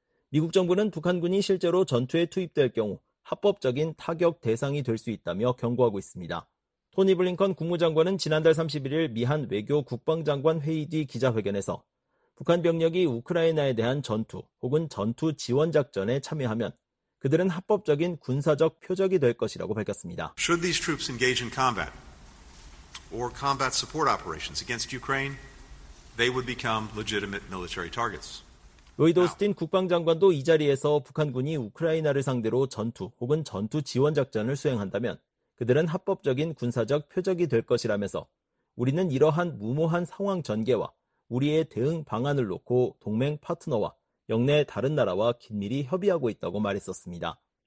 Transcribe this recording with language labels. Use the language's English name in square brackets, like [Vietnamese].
[Korean] 미국 정부는 북한군이 실제로 전투에 투입될 경우 합법적인 타격 대상이 될 수 있다며 경고하고 있습니다. 토니 블링컨 국무장관은 지난달 31일 미한 외교 국방장관 회의 뒤 기자회견에서 북한 병력이 우크라이나에 대한 전투 혹은 전투 지원 작전에 참여하면 그들은 합법적인 군사적 표적이 될 것이라고 밝혔습니다. [English] Should these troops engage in combat or combat support operations against Ukraine, they would become legitimate military targets. [Korean] 로이드 오스틴 국방장관도 이 자리에서 북한군이 우크라이나를 상대로 전투 혹은 전투 지원 작전을 수행한다면 그들은 합법적인 군사적 표적이 될 것이라면서 우리는 이러한 무모한 상황 전개와 우리의 대응 방안을 놓고 동맹 파트너와 역내 다른 나라와 긴밀히 협의하고 있다고 말했었습니다.